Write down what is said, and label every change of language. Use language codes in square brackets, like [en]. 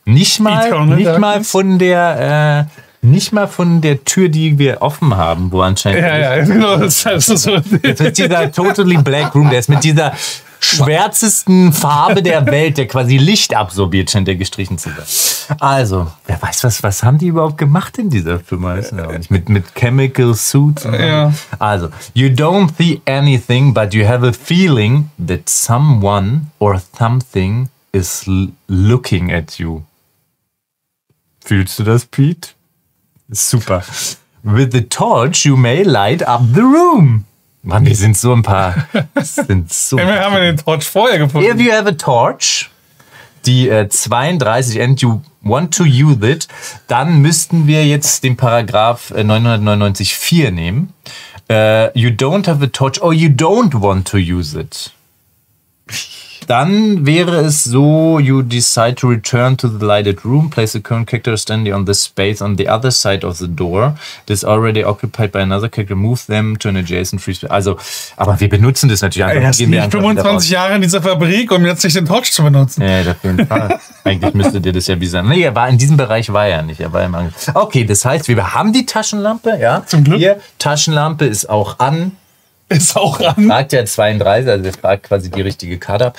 [de] Nicht mal von der Tür, die wir offen haben, wo anscheinend. Ja, genau. Das ist dieser [en] totally black room, [de] der ist mit dieser schwärzesten Farbe der Welt, der quasi Licht absorbiert, scheint der gestrichen zu werden. Also, wer weiß, was haben die überhaupt gemacht in dieser Firma? Mit Chemical Suits? Ja. [en] Also, you don't see anything, but you have a feeling that someone or something is looking at you. [de] Fühlst du das, Pete? Super. [en] With the torch, you may light up the room. [de] Mann, die sind so ein paar. Wir haben den Torch vorher gefunden. [en] If you have a torch, [de] die 32, [en] and you want to use it, [de] dann müssten wir jetzt den Paragraph 999.4 nehmen. [en] You don't have a torch, or you don't want to use it. [de] Dann wäre es so, [en] you decide to return to the lighted room, place the current character standing on the space on the other side of the door that is already occupied by another character, move them to an adjacent free space. [de] Also, aber wir benutzen das natürlich einfach. Ey, gehen wir 25 Jahre in dieser Fabrik, um jetzt nicht den Torch zu benutzen. Ja, auf jeden Fall. Eigentlich müsstet ihr das ja wie sagen. Nee, in diesem Bereich war er nicht. Er war im Angel. Okay, das heißt, wir haben die Taschenlampe, ja? Zum Glück. Hier, Taschenlampe ist auch an. Ist auch ran. Fragt ja 32, also fragt quasi die richtige Karte ab.